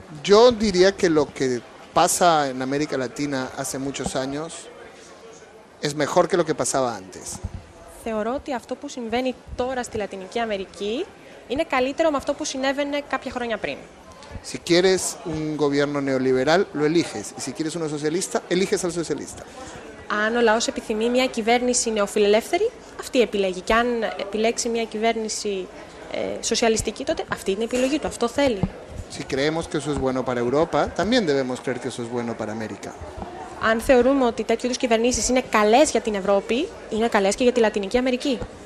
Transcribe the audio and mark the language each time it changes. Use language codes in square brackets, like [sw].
[es] Yo diría que lo que pasa en América Latina hace muchos años es mejor que lo que pasaba antes. [el] Θεωρώ ότι αυτό που συμβαίνει τώρα στη Λατινική Αμερική είναι καλύτερο με αυτό που συνέβαινε κάποια χρόνια πριν. [es] Si quieres un gobierno neoliberal, lo eliges. Y si quieres uno socialista, eliges al socialista. [el] Αν ο λαός επιθυμεί μια κυβέρνηση νεοφιλελεύθερη, αυτή επιλέγει. Και αν επιλέξει μια κυβέρνηση socialistική, τότε αυτή είναι η επιλογή του, αυτό θέλει. [es] Si creemos que eso es bueno para Europa, también debemos creer que eso es bueno para América. [el] Αν θεωρούμε ότι τέτοιου είδους κυβερνήσεις είναι καλές για την Ευρώπη, είναι καλές και για τη Λατινική Αμερική.